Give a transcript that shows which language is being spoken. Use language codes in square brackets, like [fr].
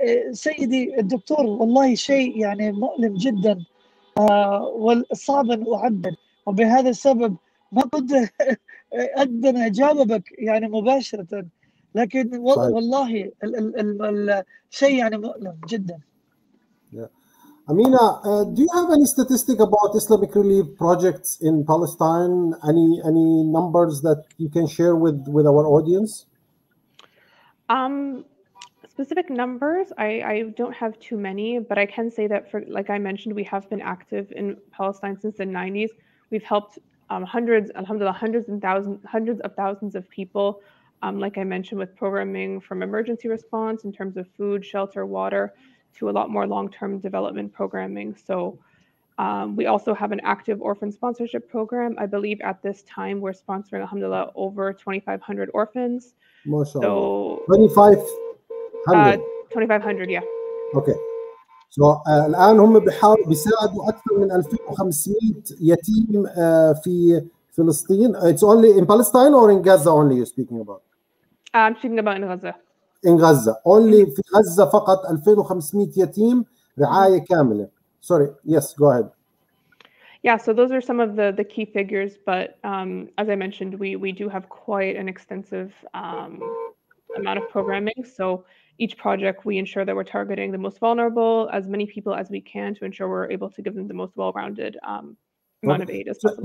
[ar] فسيدي الدكتور والله شيء يعني مؤلم جدا وصعب أعبر، وبهذا السبب ما قد أقدر أجاوبك يعني مباشرة، لكن والله شيء يعني مؤلم جدا. [en] Amina, do you have any statistic about Islamic Relief projects in Palestine? Any numbers that you can share with our audience? Specific numbers, I don't have too many, but I can say that, for like I mentioned, we have been active in Palestine since the 90s. We've helped hundreds, alhamdulillah, hundreds of thousands of people, like I mentioned, with programming from emergency response in terms of food, shelter, water, to a lot more long-term development programming. So we also have an active orphan sponsorship program. I believe at this time we're sponsoring, alhamdulillah, over 2,500 orphans. MashaAllah. So, 2,500, yeah. Okay. [ar] So الآن هم بيساعدوا أكثر من 2,500 يتيم في فلسطين. [en] It's only in Palestine or in Gaza only you're speaking about? I'm speaking about in Gaza. In Gaza, only [ar] في غزة فقط 2,500 يتيم رعاية كاملة. [en] Sorry, yes, go ahead. Yeah, so those are some of the key figures, but as I mentioned, we do have quite an extensive amount of programming. So each project, we ensure that we're targeting the most vulnerable, as many people as we can, to ensure we're able to give them the most well-rounded amount of aid as possible.